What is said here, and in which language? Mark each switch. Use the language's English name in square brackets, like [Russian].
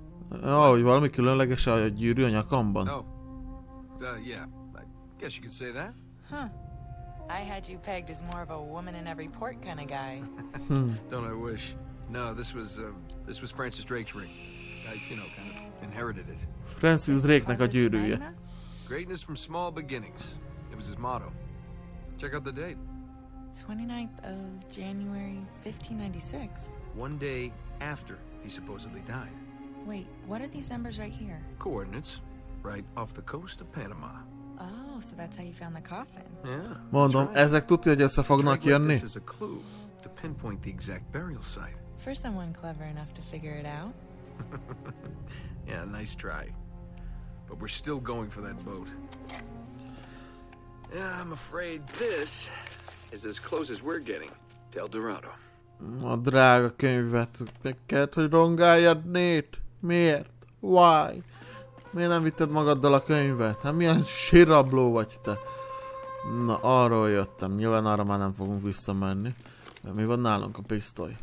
[Hungarian] Hogy valami különleges a gyűrű a nyakamban. [English] Oh. Yeah. I guess you could say that. Huh. I had you pegged as more of a woman in every port kind of guy. Don't I wish. No, this was Francis Drake's ring. I, you know, kind of inherited it. [Hungarian] Francis Drake-nek a gyűrűje. [English] Greatness from small beginnings. It was his motto. Check out the date. 29th of January, 1596. One day after he supposedly died. Wait, what are these numbers right here? Coordinates, right off the coast of Panama. Oh, so that's how you found the coffin. Yeah. [Hungarian] Mondom, ezek tudja, hogy össze fognak jönni. [English] This is a clue to pinpoint the exact burial site. For someone clever enough to figure it out. Yeah, nice try. But we're still going for that boat. Yeah, I'm afraid this... is as close as we're getting to El Dorado. [Hungarian] A drága könyvet meg kellett, hogy rongáljad, Nate. Miért? [English] Why? [Hungarian] Miért nem vitted magaddal a könyvet? Hát milyen sirabló vagy te? Na, arról jöttem. Nyilván arra már nem fogunk visszamenni. Mi van nálunk a pisztoly?